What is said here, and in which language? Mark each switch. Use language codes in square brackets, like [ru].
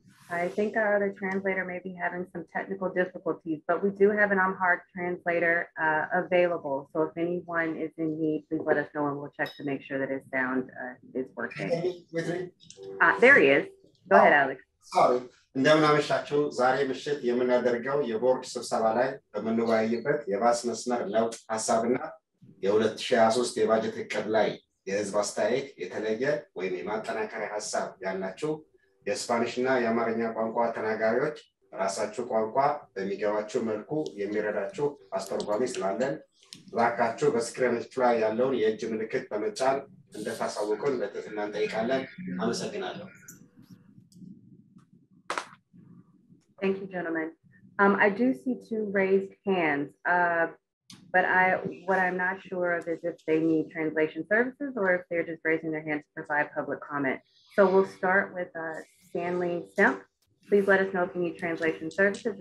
[en] I think our other translator may be having some technical difficulties, but we do have an Amharic translator available. So if anyone is in need, please let us know and we'll check to make sure that his sound is working. There he is. Go ahead, Alex. Sorry. [am] እንደምናመሻችሁ ዛሬ ምሽት የምናደርገው የቦርድ ስብሰባ ላይ በመንባይበት የባስ መስመር ለውጥ ሐሳብና የ2023 የባጀት እቅድ ላይ የህዝብ አስተያየት የተለየ ወይም የማጠናከሪያ ሀሳብ ያላችሁ የስፓኒሽና የአማርኛ ቋንቋ ተናጋሪዎች ራሳችሁ ቋንቋ በሚገባችሁ መልኩ የሚረዳችሁ አስተርጓሚ ስላለን ባካችሁ በስክሪኖች ላይ ያለውን የእጅ ምልክት በመጫን እንደታሳውቁን በትህትና እንጠይቃለን። አመሰግናለሁ። [en] Thank you, gentlemen. I do see two raised hands, but what I'm not sure of is if they need translation services or if they're just raising their hands to provide public comment. So we'll start with Stanley Stemp. Please let us know if you need translation services.